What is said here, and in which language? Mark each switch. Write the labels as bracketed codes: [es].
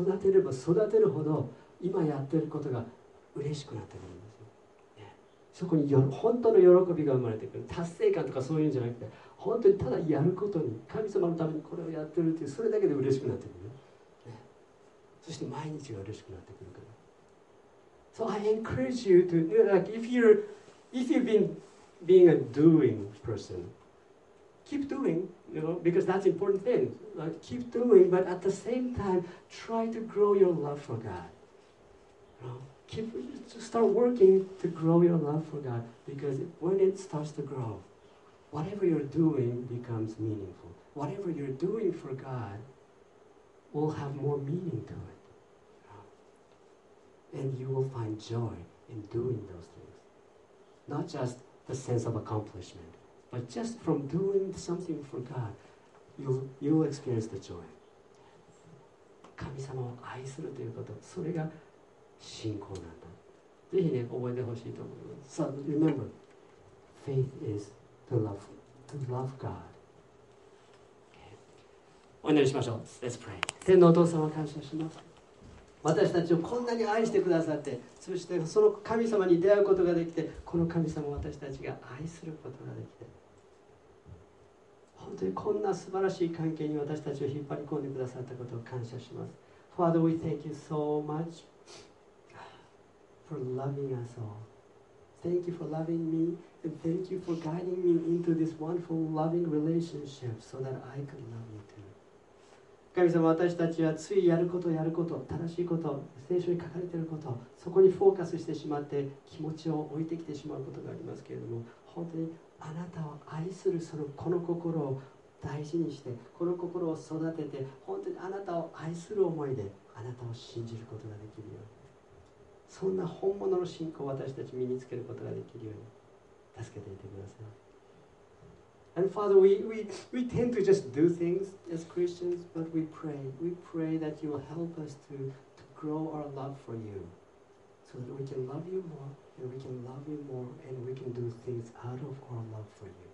[ja] 育てれば育てるほど今やってることが嬉しくなってくるんですよ。そこに本当の喜びが生まれてくる。達成感とかそういうんじゃなくて、本当にただやることに、神様のためにこれをやってるっていう、それだけで嬉しくなってくる。そして毎日が嬉しくなってくるから。 [en] So I encourage you to, like, if you've been a doing person, keep doing, you know, because that's important thing. Like, keep doing, but at the same time, try to grow your love for God. You know, keep, start working to grow your love for God, because when it starts to grow, whatever you're doing becomes meaningful. Whatever you're doing for God will have more meaning to it. You know? And you will find joy in doing those things. Not just the sense of accomplishment, but just from doing something for God, you'll experience the joy. [ja] 神様を愛するということ、それが信仰なんだ。ぜひね、覚えてほしいと思います。 [en] So remember, faith is to love God. Okay. [ja] お祈りしましょう。 [en] Let's pray. [ja] 天のお父様、感謝します。私たちをこんなに愛してくださって、そしてその神様に出会うことができて、この神様を私たちが愛することができて、本当にこんな素晴らしい関係に私たちを引っ張り込んでくださったことを感謝します。 [en] Father, we thank you so much for loving us all. Thank you for loving me, and thank you for guiding me into this wonderful loving relationship so that I could love you too. [ja] 神様、私たちはついやることやること、正しいこと、聖書に書かれていること、そこにフォーカスしてしまって気持ちを置いてきてしまうことがありますけれども、本当にあなたを愛する、そのこの心を大事にして、この心を育てて、本当にあなたを愛する思いであなたを信じることができるように、そんな本物の信仰を私たち身につけることができるように助けていてください。 [en] And Father, we tend to just do things as Christians, but we pray that you will help us to grow our love for you, So that we can love you more, and we can love you more, and we can do things out of our love for you.